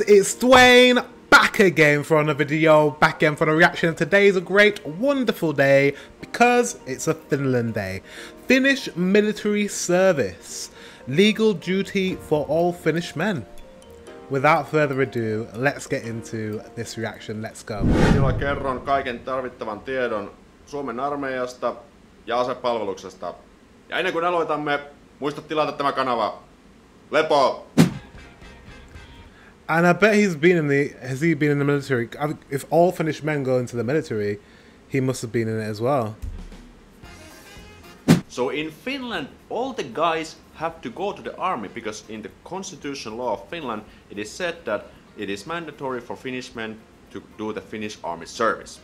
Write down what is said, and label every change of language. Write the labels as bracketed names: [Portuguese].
[English] It's Dwayne back again for another video, back again for the reaction. Today's a great, wonderful day because it's a Finland day. Finnish military service, legal duty for all Finnish men. Without further ado, let's get into this reaction. Let's go. [Finnish] Minä kerron kaiken tarvittavan tiedon Suomen armeijasta ja asepalveluksesta. Ja ennen kuin aloitamme, muista tilata tämä kanava. Lepo! [English] And I bet has he been in the military? If all Finnish men go into the military, he must have been in it as well. So in Finland, all the guys have to go to the army because in the constitutional law of Finland, it is said that it is mandatory for Finnish men to do the Finnish army service.